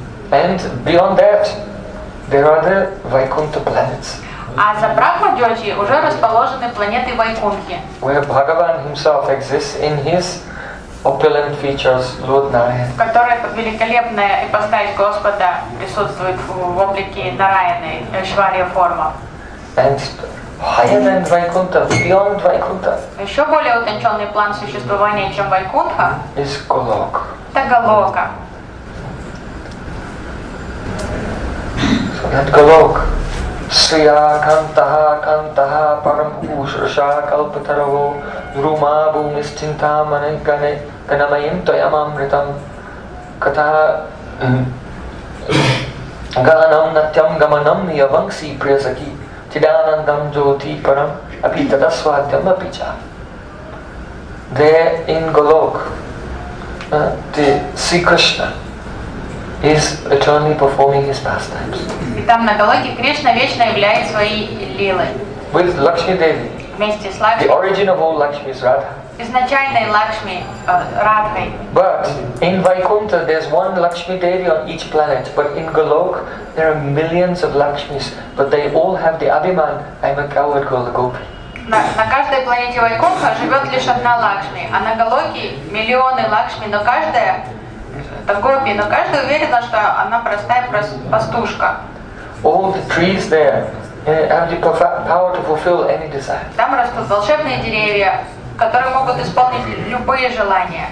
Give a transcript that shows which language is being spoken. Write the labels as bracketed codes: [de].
[en] And beyond that, there are the Vaikuntha planets. [ru] А за Брахма-джоти уже расположены планеты Вайкунхи. [en] Where Bhagavan himself exists in his opulent features, Lord Narayana. [ru] Которая великолепная ипостась Господа присутствует в облике Нараяны, Эшвария форма. [en] And higher than Vaikuntha, beyond Vaikuntha. [ru] Еще более утонченный план существования, чем Вайкунха. [en] Is Голок. [ru] Это Голока. [en] So that [sa] Голок. Sriya kantaha kantaha param ushrasha kalpataravo druma bhumishtinta mane gane ganamayim toyamamritam katha Ganam natyam gamanam yavangsi priyasaki tidanandam jyoti param api tadasvadyam api cha. [en] There in Golok, the Sri Krishna is eternally performing his pastimes. [ru] Там на Голоке Кришна вечно являет свои лилы. [en] With Lakshmi Devi. [ru] Вместе с Лакшми. [en] The origin of all Lakshmi is Radha. [ru] Изначальной Лакшми Радхой. [en] But in Vaikuntha there's one Lakshmi Devi on each planet, but in Golok there are millions of Lakshmis, but they all have the abhiman, I'm a coward called a gopi. [ru] На каждой планете Вайкунха живет лишь одна Лакшми, а на Голоке миллионы Лакшми, но каждая это гопи, но каждая уверена, что она простая пастушка. [en] All the trees there have the power to fulfill any desire. [ru] Там растут волшебные деревья, которые могут исполнить любые желания.